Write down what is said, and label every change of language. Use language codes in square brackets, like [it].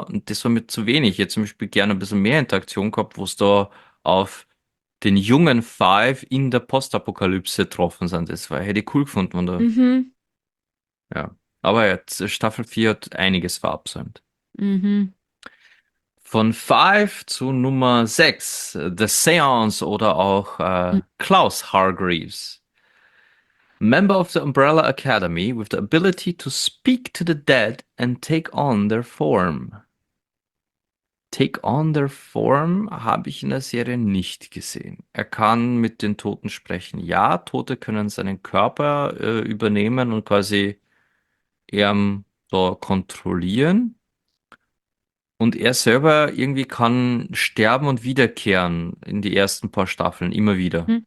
[de] Und das war mir zu wenig. Ich hätte zum Beispiel gerne ein bisschen mehr Interaktion gehabt, wo es da auf den jungen Five in der Postapokalypse getroffen sind. Das war, hätte ich cool gefunden. Und da, ja. Aber jetzt, Staffel 4 hat einiges verabsäumt. Von 5 zu Nummer 6, The Seance oder auch Klaus Hargreaves. [en] Member of the Umbrella Academy with the ability to speak to the dead and take on their form. Take on their form [de] habe ich in der Serie nicht gesehen. Er kann mit den Toten sprechen. Ja, Tote können seinen Körper übernehmen und quasi so kontrollieren. Und er selber irgendwie kann sterben und wiederkehren in die ersten paar Staffeln, immer wieder.